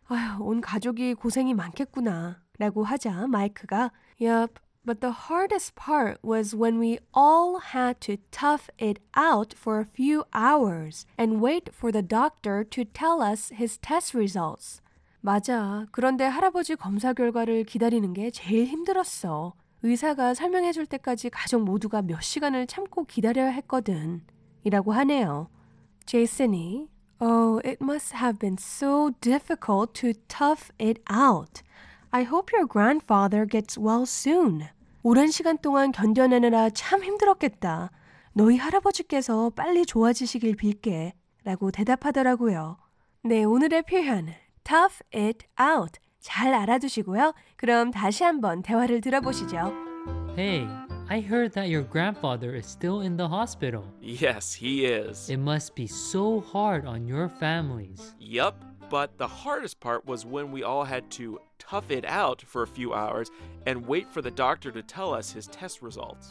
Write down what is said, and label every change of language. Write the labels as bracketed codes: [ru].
[ko] 아휴, 온 가족이 고생이 많겠구나 라고 하자 마이크가 [en] Yep, but the hardest part was when we all had to tough it out for a few hours and wait for the doctor to tell us his test results. [ko] 맞아. 그런데 할아버지 검사 결과를 기다리는 게 제일 힘들었어. 의사가 설명해 줄 때까지 가족 모두가 몇 시간을 참고 기다려야 했거든. 이라고 하네요. 제이슨이 [en] Oh, it must have been so difficult to tough it out. I hope your grandfather gets well soon. [ko] 오랜 시간 동안 견뎌내느라 참 힘들었겠다. 너희 할아버지께서 빨리 좋아지시길 빌게. 라고 대답하더라고요. 네, 오늘의 표현 Tough it out. 잘 알아두시고요. 그럼 다시 한번 대화를 들어보시죠. [en] Hey, I heard that your grandfather is still in the hospital. Yes, he is. It must be so hard on your families. Yup, but the hardest part was when we all had to tough it out for a few hours and wait for the doctor to tell us his test results.